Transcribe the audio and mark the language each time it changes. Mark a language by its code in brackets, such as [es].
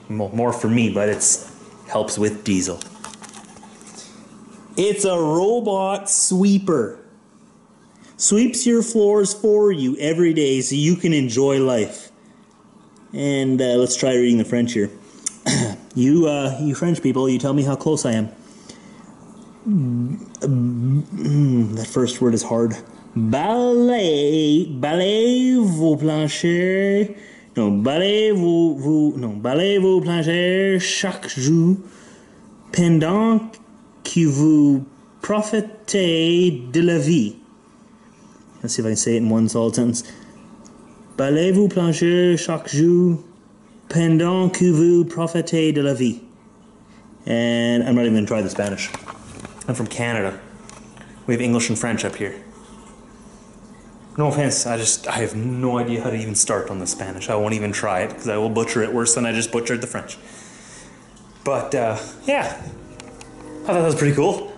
[en] More for me, but it helps with Diesel. It's a robot sweeper. Sweeps your floors for you every day so you can enjoy life. And let's try reading the French here. You French people, you tell me how close I am. That first word is hard. [fr] Balayez vos planchers chaque jour pendant que vous profitez de la vie. [en] Let's see if I can say it in one solid sentence. [fr] Balayez vos planchers chaque jour pendant que vous profitez de la vie. [en] And I'm not even going to try the Spanish. I'm from Canada. We have English and French up here. No offense, I have no idea how to even start on the Spanish. I won't even try it, because I will butcher it worse than I just butchered the French. But, yeah. I thought that was pretty cool.